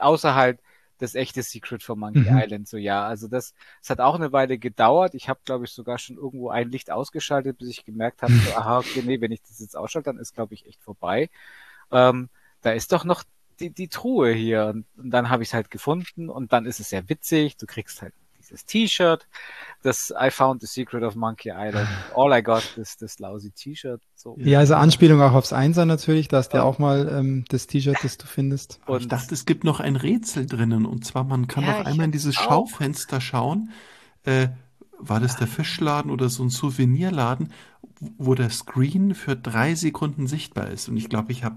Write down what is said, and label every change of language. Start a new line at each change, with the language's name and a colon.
German: Außer halt das echte Secret von Monkey Island. So ja, also das hat auch eine Weile gedauert. Ich habe, glaube ich, sogar schon irgendwo ein Licht ausgeschaltet, bis ich gemerkt habe, so aha, okay, nee, wenn ich das jetzt ausschalte, dann ist, glaube ich, echt vorbei. Da ist doch noch die Truhe hier. Und dann habe ich es halt gefunden und dann ist es sehr witzig. Du kriegst halt dieses T-Shirt, das
English: I found the secret of Monkey Island. All I got is this lousy T-Shirt.
German: So Ja, also ungefähr. Anspielung auch aufs Einser natürlich, dass der auch mal das T-Shirt, das du findest. Aber ich dachte, es gibt noch ein Rätsel drinnen. Und zwar, man kann auf Ja, ich einmal in hab's dieses auch. Schaufenster schauen. War das der Fischladen oder so ein Souvenirladen, wo der Screen für 3 Sekunden sichtbar ist? Und ich glaube, ich habe